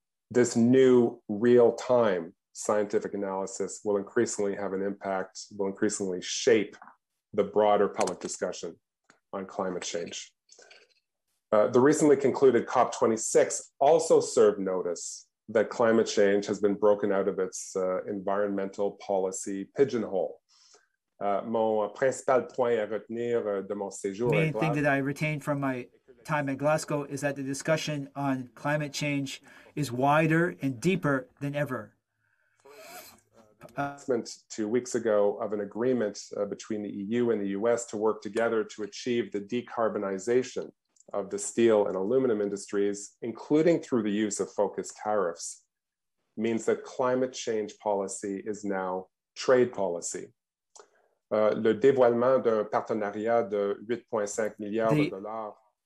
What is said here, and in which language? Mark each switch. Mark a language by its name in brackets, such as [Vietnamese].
[English] This new real-time scientific analysis will increasingly have an impact, will increasingly shape the broader public discussion on climate change. The recently concluded COP26 also served notice that climate change has been broken out of its environmental policy pigeonhole. [French] Mon principal point à retenir de mon séjour. [English] The main thing that I retained from my time at Glasgow is that the discussion on climate change is wider and deeper than ever. Announcement 2 weeks ago of an agreement between the EU and the US to work together to achieve the decarbonization of the steel and aluminum industries, including through the use of focused tariffs, means that climate change policy is now trade policy. [French] Le dévoilement d'un partenariat de 8.5 milliards de dollars.